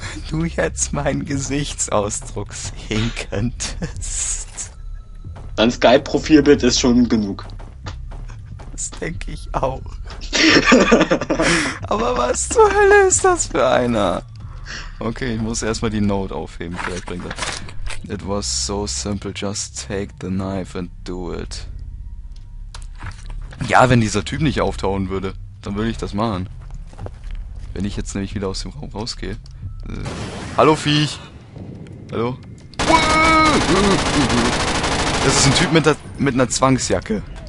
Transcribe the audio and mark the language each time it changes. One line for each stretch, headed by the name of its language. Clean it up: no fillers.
German: Wenn du jetzt meinen Gesichtsausdruck sehen könntest. Dein Skype-Profilbild ist schon genug. Das denke ich auch. Ja. Aber was zur Hölle ist das für einer? Okay, ich muss erstmal die Note aufheben, vielleicht bringt er.
English: It was so simple, just take the knife and do it.
German: Ja, wenn dieser Typ nicht auftauchen würde, dann würde ich das machen. Wenn ich jetzt nämlich wieder aus dem Raum rausgehe. Hallo Viech! Hallo? Das ist ein Typ mit einer Zwangsjacke.